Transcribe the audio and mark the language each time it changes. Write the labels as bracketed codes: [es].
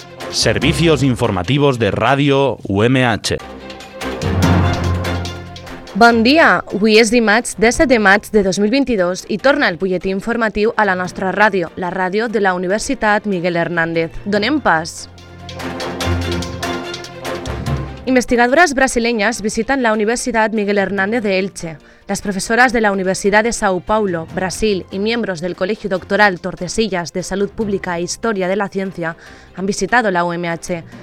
[es] Servicios informativos de Radio UMH. [ca] Bon dia! Avui és dimarts, 17 de maig de 2022 i torna el butlletí informatiu a la nostra ràdio, la ràdio de la Universitat Miguel Hernández. Donem pas! [es] Investigadoras brasileñas visitan la Universidad Miguel Hernández de Elche. Las profesoras de la Universidad de Sao Paulo, Brasil, y miembros del Colegio Doctoral Tordesillas de Salud Pública e Historia de la Ciencia han visitado la UMH.